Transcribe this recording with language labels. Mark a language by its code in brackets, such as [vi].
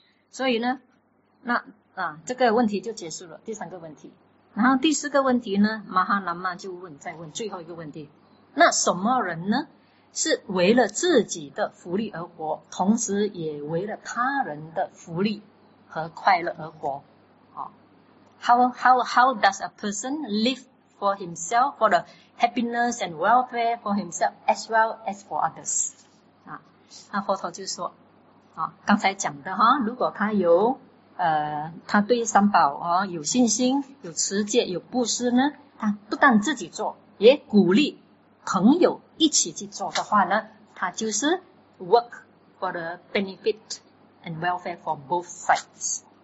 [zh] 所以呢，那这个问题就结束了，第三个问题，然后第四个问题呢，玛哈兰曼就问，再问最后一个问题。那什么人呢？是为了自己的福利而活，同时也为了他人的福利和快乐而活。 [en] How does a person live for himself, for the happiness and welfare for himself as well as for others? [zh] 那佛陀就说，刚才讲的哈，如果他有他对三宝啊、有信心、有持戒、有布施呢，他不但自己做，也鼓励朋友一起去做的话呢，他就是 [en] work for the benefit and welfare for both sides。